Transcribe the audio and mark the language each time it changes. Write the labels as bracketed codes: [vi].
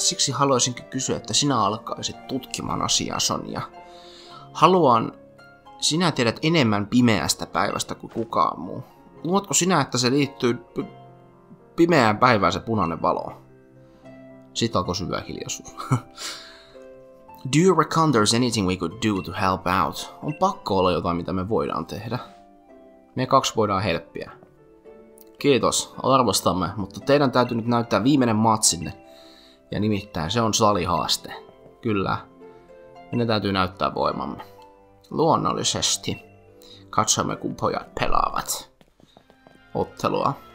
[fi] Siksi haluaisinkin kysyä, että sinä alkaisit tutkimaan asiaa, Sonja. Sinä tiedät enemmän pimeästä päivästä kuin kukaan muu. Luotko sinä, että se liittyy pimeään päivään se punainen valo? Sit alkoi syvä hiljaisuus. [en] Do you reckon there's anything we could do to help out? [fi] On pakko olla jotain, mitä me voidaan tehdä. Me kaksi voidaan helppiä. Kiitos, arvostamme, mutta teidän täytyy nyt näyttää viimeinen matsinne. Ja nimittäin se on salihaaste. Kyllä, meidän täytyy näyttää voimamme. Luonnollisesti. Katsomme, kun pojat pelaavat ottelua.